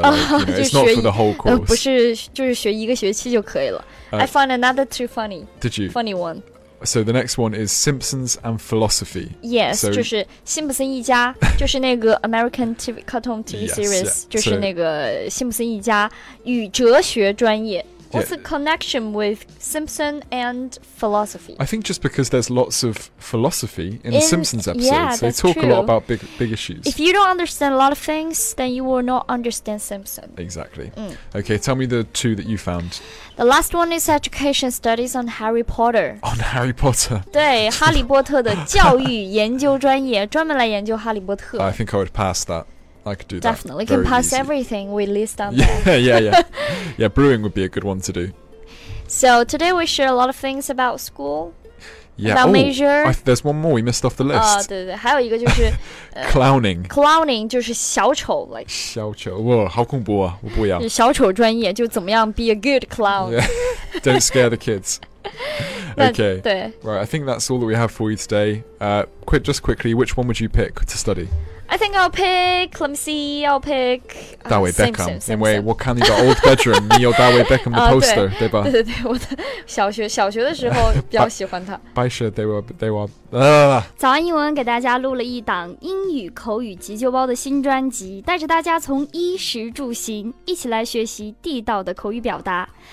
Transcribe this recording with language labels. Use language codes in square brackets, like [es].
[en] Like, you know, it's not for the whole course. [zh] 不是就是学一个学期就可以了 [en] I found another too funny. Did you? Funny one. So the next one is Simpsons and philosophy. Yes, so, [zh] 就是辛普森一家，就是那个 [en] American TV cartoon TV yes, series, yeah. [zh] 就是那个辛普森一家与哲学专业。 [en] What's the connection with Simpson and philosophy? I think just because there's lots of philosophy in the Simpsons episodes. Yeah, they talk a lot about big issues. If you don't understand a lot of things, then you will not understand Simpson. Exactly. Okay, tell me the two that you found. The last one is education studies on Harry Potter. On Harry Potter. [zh] 对，哈利波特的教育研究专业，专门来研究哈利波特。 [en] I think I would pass that. I could do that. Definitely. We can pass everything we list on there. Yeah, yeah, yeah. Yeah, brewing would be a good one to do. So today we share a lot of things about school. Yeah. About major. There's one more we missed off the list. [zh] 对对对。还有一个就是 [en] Clowning. [zh] Clowning 就是小丑 like, 小丑。哇，好恐怖啊。我不要。小丑专业就怎么样 [en] be a good clown. Yeah. Don't scare the kids. Okay. [zh] 对。 [en] Right, I think that's all that we have for you today. Just quickly, which one would you pick to study? I think I'll pick, let me see, I'll pick... David Beckham, in way, what kind of old bedroom? [zh] 你有 David Beckham 的 poster, 对吧？对对对，我的小学的时候比较喜欢他。白雪 they were... 早安英文给大家录了一档英语口语急救包的新专辑，带着大家从衣食住行一起来学习地道的口语表达。